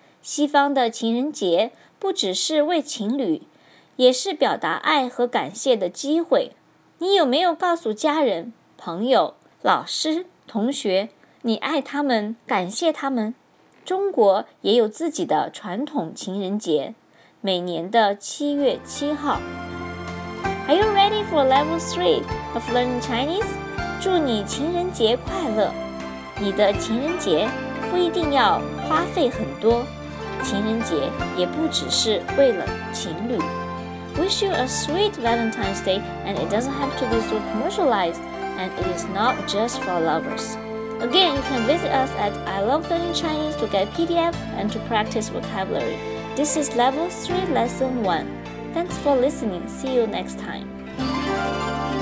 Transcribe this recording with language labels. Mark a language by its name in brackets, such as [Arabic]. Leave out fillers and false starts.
[Chinese] 西方的情人节不只是为情侣，也是表达爱和感谢的机会。你有没有告诉家人、朋友、老师、同学，你爱他们、感谢他们？中国也有自己的传统情人节，每年的7月7号。 [English] Are you ready for level 3 of learning Chinese? [Chinese] 祝你情人节快乐！你的情人节不一定要花费很多，情人节也不只是为了情侣。 [English] Wish you a sweet Valentine's Day, and it doesn't have to be so commercialized, and it is not just for lovers. Again, you can visit us at I Love Learning Chinese to get PDF and to practice vocabulary. This is Level 3, Lesson 1. Thanks for listening. See you next time.